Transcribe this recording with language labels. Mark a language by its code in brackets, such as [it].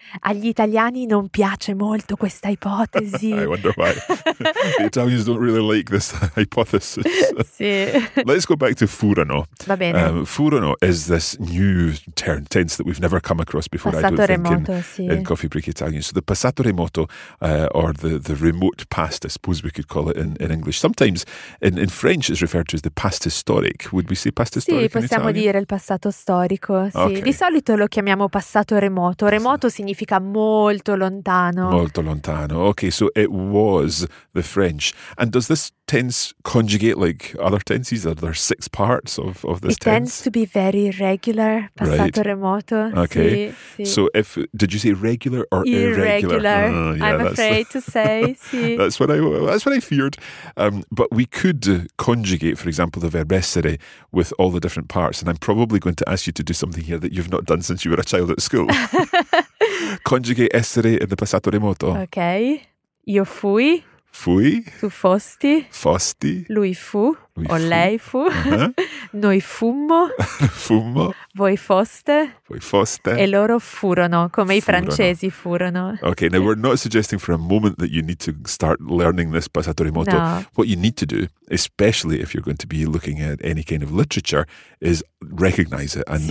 [it] Agli italiani non piace molto questa ipotesi. [en] I wonder why. The Italians don't really like this hypothesis. [it] Sì. [en] Let's go back to furono. [it] Va bene. [en] Furono is this new term, tense that we've never come across before. [it] Passato [en] I don't [it] remoto, [en] think in Coffee Break Italian. So the passato remoto, or the remote past, I suppose we could call it in English. Sometimes in French it's referred to as the past historic. Would we say past historic in Italian? [it] Sì, possiamo dire il passato storico. Sì. Okay. Di solito lo chiamiamo passato remoto. Remoto significa molto lontano. Molto lontano. [en] Okay, so it was the French. And does this tense conjugate like other tenses? Are there six parts of this it It tends to be very regular, [it] passato [en] right. [it] remoto. [en] Okay. [it] Sì, sì. [en] So if, did you say regular or irregular? Irregular, I'm afraid to say, sì. That's what I feared. But we could conjugate, for example, the verb essere with all the different parts. And I'm probably going to ask you to do something here that you've not done since you were a child at school. Conjugate essere in the passato remoto. [it] Ok. Io fui. Fui. Tu fosti. Fosti. Lui fu. Lui o fu. Lei fu. Uh-huh. Noi fummo. Fummo. Voi foste. Voi foste. E loro furono, come furono. I francesi furono. [en] Ok, now we're not suggesting for a moment that you need to start learning this passato remoto. No. What you need to do, especially if you're going to be looking at any kind of literature, is recognize it and